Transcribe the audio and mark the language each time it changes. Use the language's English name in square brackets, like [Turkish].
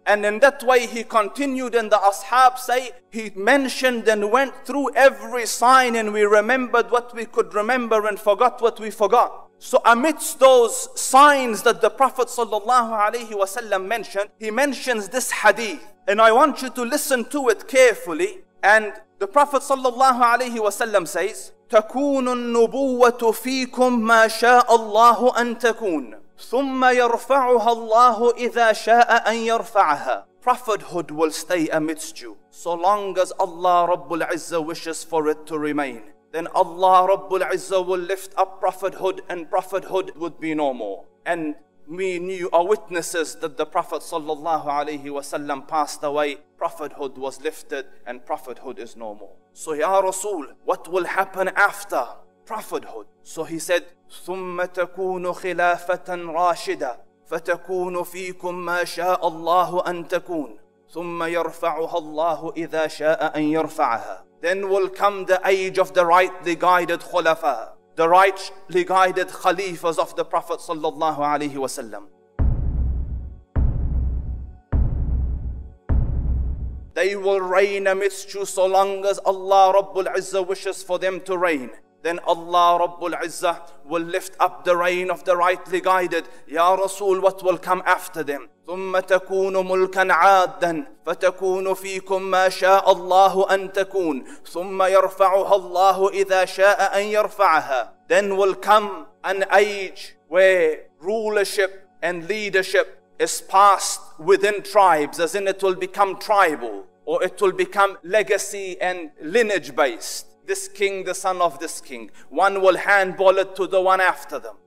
[English] And in that way he continued, and the Ashab say, he mentioned and went through every sign, and we remembered what we could remember and forgot what we forgot. So amidst those signs that the Prophet sallallahu alayhi wasallam mentioned, he mentions this hadith. And I want you to listen to it carefully. And the Prophet sallallahu alayhi wasallam says, [Arabic] تَكُونُ النُّبُوَّةُ فِيكُمْ مَا شَاءَ اللَّهُ أَن تَكُونَ ثُمَّ يَرْفَعُهَا اللَّهُ إِذَا شَاءَ أَن يَرْفَعَهَا [English] prophethood will stay amidst you, so long as Allah Rabbul Izzah wishes for it to remain. Then Allah Rabbul Izzah will lift up prophethood, and prophethood would be no more. And me and you are witnesses that the Prophet sallallahu alayhi wasallam passed away, prophethood was lifted, and prophethood is no more. So ya Rasul, what will happen after prophethood? So he said, [Arabic] ثُمَّ تَكُونُ خِلَافَةً رَاشِدًا فَتَكُونُ فِيكُمْ مَا شَاءَ اللَّهُ أَن تَكُونَ ثُمَّ يَرْفَعُهَا اللَّهُ إِذَا شَاءَ أَن يَرْفَعَهَا. [English] Then will come the age of the rightly guided khulafa, the rightly guided khalifas of the Prophet sallallahu alayhi wasallam. They will reign amidst you so long as Allah Rabbul Izzah wishes for them to reign. Then Allah Rabbul Izzah will lift up the reign of the rightly guided. Ya Rasul, what will come after them? [Arabic] ثم تكون ملكا عادا فتكون فيكم ما شاء الله أن تكون ثم يرفعها الله إذا شاء أن يرفعها. [English] Then will come an age where rulership and leadership is passed within tribes, as in it will become tribal, or it will become legacy and lineage based. This king, the son of this king, one will handball it to the one after them.